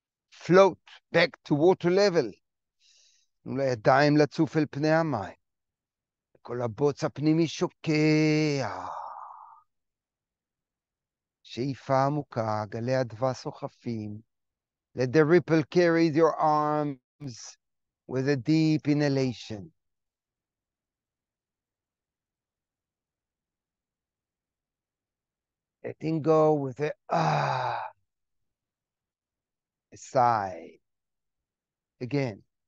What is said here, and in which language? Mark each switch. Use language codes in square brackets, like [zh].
[en] Float back to water level. [he] ולידיים לצוף אל פני המים. כל הבוץ הפנימי שוקע. שאיפה עמוקה, גלי אדווה סוחפים. [en] Let the ripple carry your arms with a deep inhalation. Letting go with a sigh. Again.